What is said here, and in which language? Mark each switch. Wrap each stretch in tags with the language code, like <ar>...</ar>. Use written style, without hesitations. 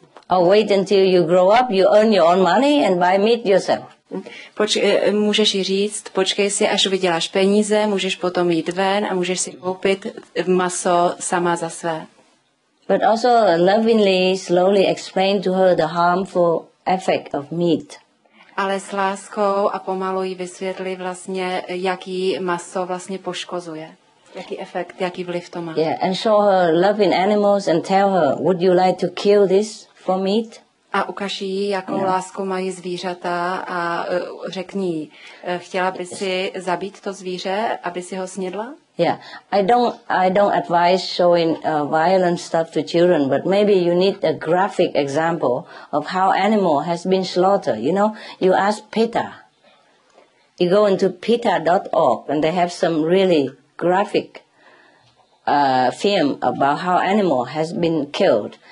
<en>Oh, wait until you grow up, you earn your own money and buy meat yourself.</en> <cs>Můžeš jí říct, počkej si, až vyděláš peníze, můžeš potom jít ven a můžeš si koupit maso sama za své.</cs> <en>But also lovingly, slowly explain to her the harmful effect of meat.</en> <cs>Ale s láskou a pomalu jí vysvětli vlastně, jaký maso vlastně poškozuje. Jaký efekt, jaký vliv to má.</cs> <en>Yeah, and show her loving animals and tell her, would you like to kill this for meat?</en> <cs>A ukaží jí, jakou yeah. lásku mají zvířata a řekni jí, chtěla by si zabít to zvíře, aby si ho snědla?</cs> <en>Yeah, I don't advise showing violent stuff to children, but maybe you need a graphic example of how animal has been slaughtered. You know, you ask PETA. You go into PETA.org and they have some really graphic film about how animal has been killed.</en>